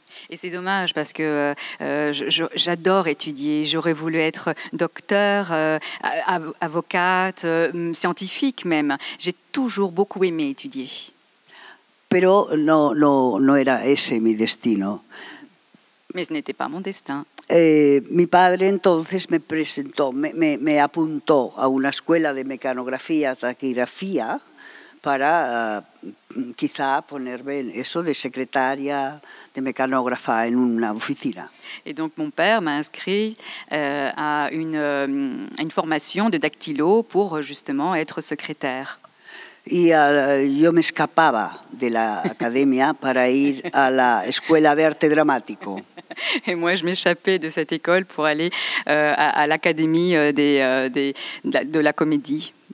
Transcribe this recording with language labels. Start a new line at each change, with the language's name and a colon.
French: Et c'est dommage parce que j'adore étudier. J'aurais voulu être docteur, avocate, scientifique même. J'ai toujours beaucoup aimé étudier.
Spanish: Pero no era ese mi destino.
French: Mais ce n'était pas mon destin.
Spanish: Mi padre entonces me presentó, me apuntó a una escuela de mecanografía, taquigrafía, para quizá ponerme eso de secretaria, de mecanógrafa en una oficina.
French: Et donc mon père m'a inscrit à une formation de dactylo pour justement être secrétaire.
Spanish: Y yo me escapaba de la academia para ir a la escuela de arte dramático.
French: Et moi je m'échappais de cette école pour aller à l'académie de la comédie.